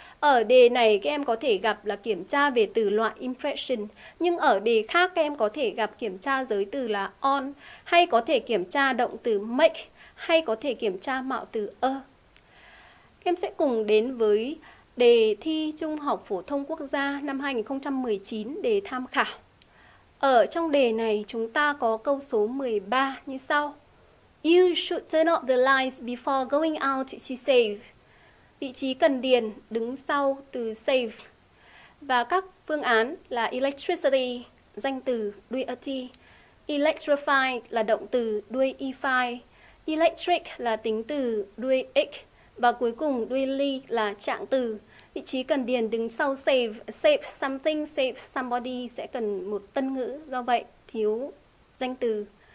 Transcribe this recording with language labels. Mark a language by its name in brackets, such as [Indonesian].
[Vietnamese] Ở đề này các em có thể gặp là kiểm tra về từ loại impression, nhưng ở đề khác các em có thể gặp kiểm tra giới từ là on, hay có thể kiểm tra động từ make, hay có thể kiểm tra mạo từ a. Em sẽ cùng đến với đề thi Trung học Phổ thông Quốc gia năm 2019 để tham khảo. Ở trong đề này chúng ta có câu số 13 như sau. [English] You should turn off the lights before going out to save. [Vietnamese] Vị trí cần điền đứng sau từ save. Và các phương án là electricity, danh từ đuôi at. Electrify là động từ đuôi ify. Electric là tính từ đuôi ic. Và cuối cùng really là trạng từ, vị trí cần điền đứng sau save, save something, save somebody sẽ cần một tân ngữ, do vậy thiếu danh từ.